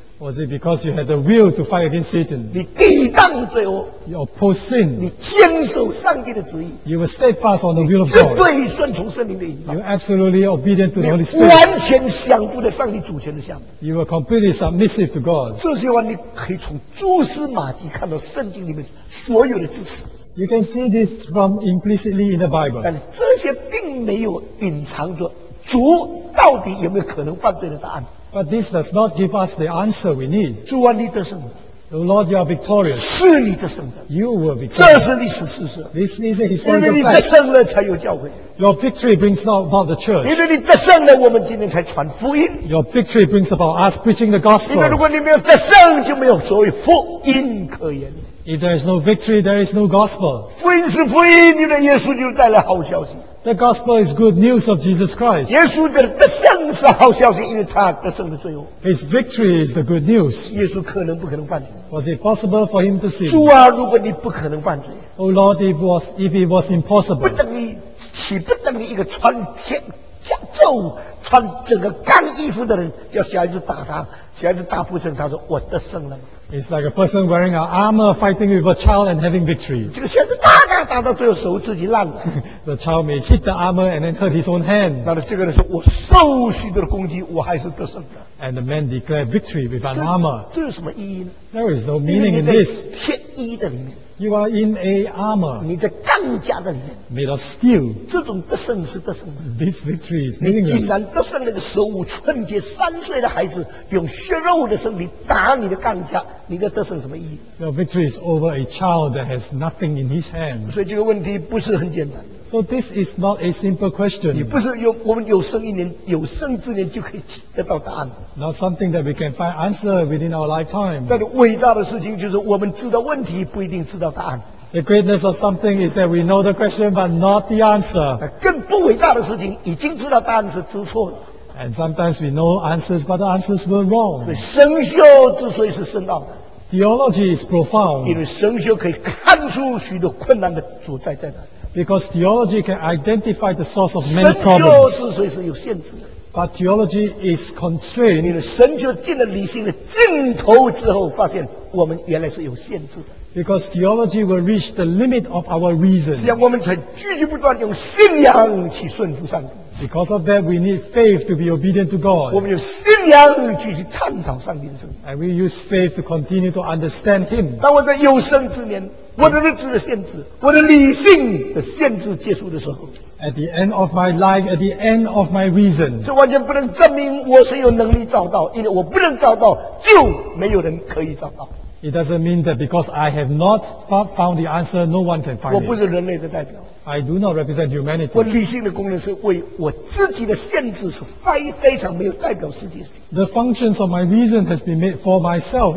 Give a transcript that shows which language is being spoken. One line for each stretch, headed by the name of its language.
English: Was it because you had the will to fight against Satan?
Chinese: 你抵挡罪恶。
English: You opposed sin.
Chinese: 你坚守上帝的旨意。
English: You were steadfast on the will of God.
Chinese: 绝对顺从圣灵的引导。
English: You were absolutely obedient to the Holy Spirit.
Chinese: 你完全降服在上帝主权的下面。
English: You were completely submissive to God.
Chinese: 这些话你可以从蛛丝马迹看到圣经里面所有的支持。
English: You can see this from implicitly in the Bible.
Chinese: 但是这些并没有隐藏着主到底有没有可能犯罪的答案。
English: But this does not give us the answer we need.
Chinese: 主啊，你得胜
English: 的。Lord, you are victorious.
Chinese: 是你得胜的。
English: You were victorious.
Chinese: 这是历史事实。
English: This is a historical
Chinese: fact. 因为你得胜了，才有教会。
English: Your victory brings about the church.
Chinese: 因为你得胜了，我们今天才传福音。
English: Your victory brings about us preaching the gospel.
Chinese: 因为如果你没有得胜，就没有所谓福音可言。
English: If there is no victory, there is no gospel.
Chinese: 福音是福音，因为耶稣就带来好消息。
English: The gospel is good news of Jesus Christ.
Chinese: 耶稣的得胜是好消息，因为他得胜了罪恶。
English: His victory is the good news.
Chinese: 耶稣可能不可能犯罪。
English: Was it possible for him to sin?
Chinese: 主啊，如果你不可能犯罪。
English: Oh Lord, if it was impossible.
Chinese: 不等于，岂不等于一个穿天甲胄、穿整个钢衣服的人，叫小孩子打他，小孩子打不胜，他说我得胜了。
English: It's like a person wearing an armor fighting with a child and having victory. The child may hit the armor and then hurt his own hand.
Chinese: 那这个人说，我受许多的攻击，我还是得胜的。
English: And the man declared victory with an armor.
Chinese: 这有什么意义呢？
English: There is no meaning in this.
Chinese: 天衣的里面。
English: You are in a armor.
Chinese: 你在钢甲的里面。
English: Made of steel.
Chinese: 这种得胜是得胜的。
English: This victory is meaningless.
Chinese: 你竟然得胜那个手无寸铁、三岁的孩子，用血肉的身体打你的钢甲，你的得胜什么意义？
English: Your victory is over a child that has nothing in his hand.
Chinese: 所以这个问题不是很简单。
English: So this is not a simple question.
Chinese: 你不是有我们有生一年、有生之年就可以得到答案。
English: Not something that we can find answer within our lifetime.
Chinese: 但是伟大的事情就是我们知道问题，不一定知道答案。
English: The greatness of something is that we know the question but not the answer.
Chinese: 更不伟大的事情，已经知道答案是知错了。
English: And sometimes we know answers but the answers were wrong.
Chinese: 所以生锈之所以是深奥的。
English: Theology is profound.
Chinese: 因为生锈可以看出许多困难的所在在哪。
English: Because theology can identify the source of many problems.
Chinese: 神学之所以是有限制的。
English: But theology is constrained.
Chinese: 你的神学进了理性的尽头之后，发现我们原来是有限制的。
English: Because theology will reach the limit of our reason.
Chinese: 这样我们才句句不断用信仰去顺服上帝。
English: Because of that, we need faith to be obedient to God.
Chinese: 我们用信仰继续探讨上帝的旨意。
English: And we use faith to continue to understand Him.
Chinese: 当我在有生之年。我的日子的限制，我的理性的限制结束的时候
English: ，At the end of my life, at the end of my reason，
Chinese: 这完全不能证明我是有能力找到，因为我不能找到，就没有人可以找到。
English: It doesn't mean that because I have not found the answer, no one can find it.
Chinese: 我不是人类的代表。
English: I do not represent humanity.
Chinese: 我理性的功能是为我自己的限制是非常没有代表世界性。
English: The functions of my reason has been made for myself.